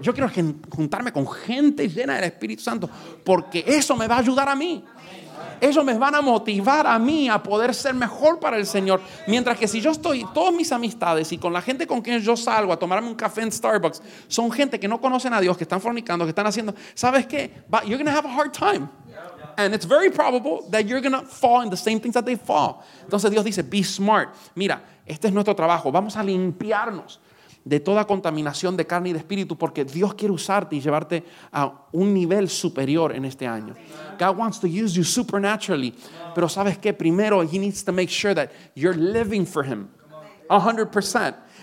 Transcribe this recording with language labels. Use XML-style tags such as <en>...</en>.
<es>Yo quiero juntarme con gente llena del Espíritu Santo porque eso me va a ayudar a mí. Ellos me van a motivar a mí a poder ser mejor para el Señor. Mientras que si yo estoy, todas mis amistades y con la gente con quien yo salgo a tomarme un café en Starbucks, son gente que no conocen a Dios, que están fornicando, que están haciendo, ¿sabes qué?</es> <en>But you're going to have a hard time. And it's very probable that you're going to fall in the same things that they fall.</en> <es>Entonces Dios dice,</es> <en>be smart.</en> <es>Mira, este es nuestro trabajo. Vamos a limpiarnos de toda contaminación de carne y de espíritu, porque Dios quiere usarte y llevarte a un nivel superior en este año.</es> <en>God wants to use you supernaturally.</en> <es>Pero ¿sabes qué? Primero,</es> <en>He needs to make sure that you're living for Him. 100%.</en>